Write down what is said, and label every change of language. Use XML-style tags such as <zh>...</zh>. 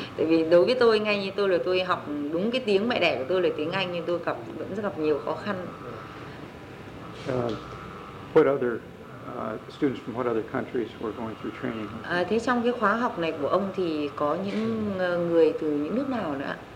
<vi>Tại vì đối với tôi ngay như tôi là tôi học đúng cái tiếng mẹ đẻ của tôi là tiếng Anh nhưng tôi vẫn gặp nhiều khó khăn.</vi> <en>What other students from what other countries were going through training?</en> <vi>Thế trong cái khóa học này của ông thì có những người từ những nước nào nữa?</vi>